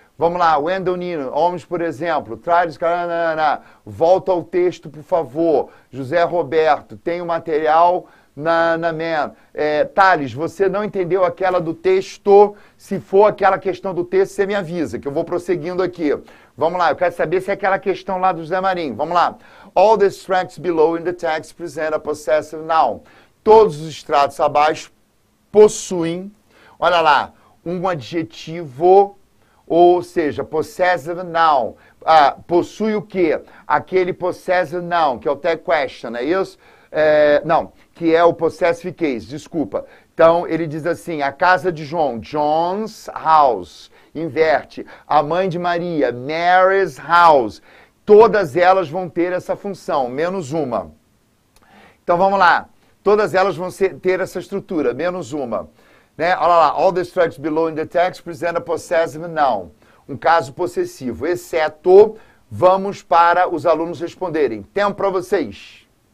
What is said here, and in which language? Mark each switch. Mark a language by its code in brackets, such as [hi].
[pt] Vamos lá, Wendell Nino, homens, por exemplo, traz, volta ao texto, por favor. José Roberto, tem o material na minha. Thales, você não entendeu aquela do texto? Se for aquela questão do texto, você me avisa, que eu vou prosseguindo aqui. Vamos lá, eu quero saber se é aquela questão lá do José Marinho. Vamos lá. [en] All the extracts below in the text present a possessive noun. [pt] Todos os extratos abaixo possuem, olha lá, um adjetivo, ou seja, possessive noun. Possui o quê? Aquele possessive noun, que é o tag question, não é isso? Que é o possessive case, desculpa. Então, ele diz assim, a casa de João, [en] John's house, [pt] inverte. A mãe de Maria, [en] Mary's house. [pt] Todas elas vão ter essa função, menos uma. Então, vamos lá. Todas elas vão ter essa estrutura, menos uma. Né? [en] Olha lá, all the structures below in the text present a possessive noun. [pt] Um caso possessivo, exceto, vamos para os alunos responderem. Tempo para vocês.